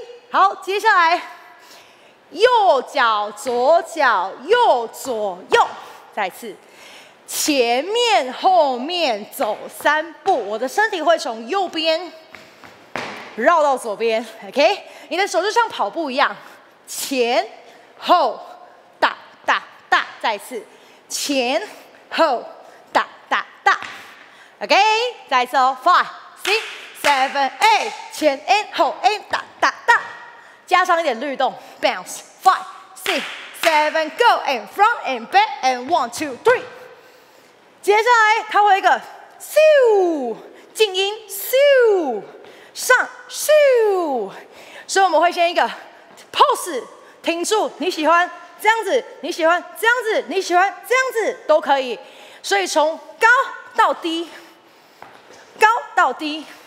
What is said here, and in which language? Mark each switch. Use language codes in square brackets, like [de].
[zh] 好，接下来，右脚、左脚、右左右，再一次，前面后面走三步，我的身体会从右边绕到左边 ，OK。你的手就像跑步一样，前后哒哒哒，再一次。前后哒哒哒 ，OK， 再走 ， [en] five six seven eight， [zh] 前 and 后 and 哒哒哒，加上一点律动 ， [en] bounce five six seven, go and front and back and one, two, three. [zh] 接下来它会一个 siu， 静音 siu， 上 siu， 所以我们会先一个 pause， 停住，你喜欢这样子，你喜欢这样子，你喜欢这样子都可以。所以从高到低，高到低。